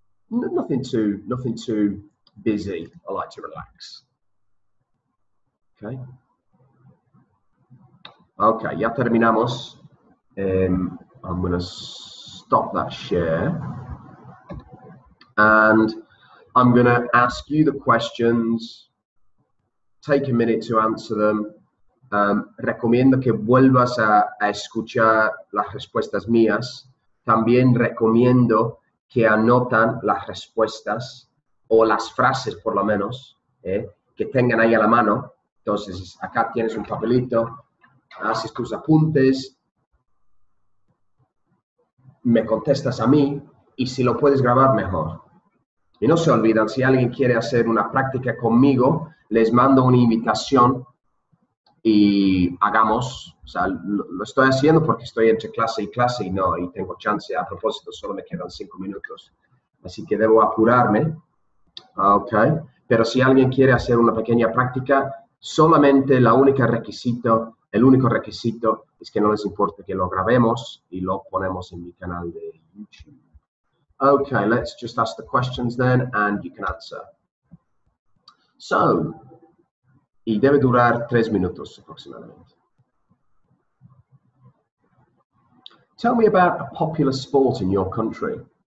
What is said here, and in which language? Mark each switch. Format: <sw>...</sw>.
<en>Nothing too busy. I like to relax. Okay. Okay,</en> <es>ya terminamos.</es> <en>I'm going to stop that share. And I'm going to ask you the questions. Take a minute to answer them.</en> <es>Recomiendo que vuelvas a escuchar las respuestas mías. También recomiendo que anotan las respuestas o las frases, por lo menos, que tengan ahí a la mano. Entonces, acá tienes un papelito, haces tus apuntes, me contestas a mí y si lo puedes grabar, mejor. Y no se olvidan, si alguien quiere hacer una práctica conmigo, les mando una invitación y hagamos, o sea, lo estoy haciendo porque estoy entre clase y no, y tengo chance. A propósito, solo me quedan 5 minutos, así que debo apurarme, ok, pero si alguien quiere hacer una pequeña práctica, solamente el único requisito es que no les importe que lo grabemos y lo ponemos en mi canal de YouTube.</es> <en>Ok, let's just ask the questions then and you can answer.</en> <es>So, y debe durar 3 minutos aproximadamente.</es> <en>Tell me about a popular sport in your country.</en>